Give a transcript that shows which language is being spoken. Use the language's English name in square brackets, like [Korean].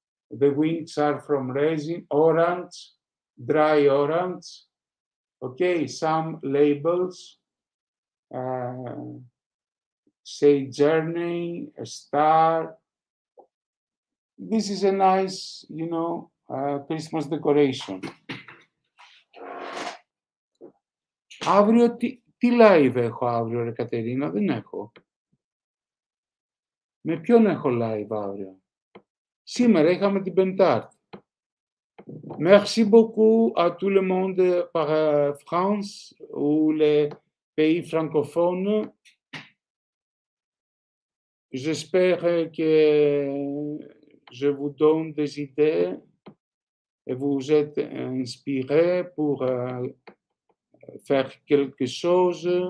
[English] The wings are from resin, orange, dry orange. Okay, some labels. Say journey, a star. This is a nice, you know, Christmas decoration. [Greek] Αύριο, τι live έχω αύριο, ρε Κατερίνα, δεν έχω. Με ποιον έχω live αύριο. Σήμερα είχαμε την Πεντάρτη. [French] Merci beaucoup à tout le monde par France ou les pays francophones. J'espère que je vous donne des idées et vous êtes inspiré pour faire quelque chose.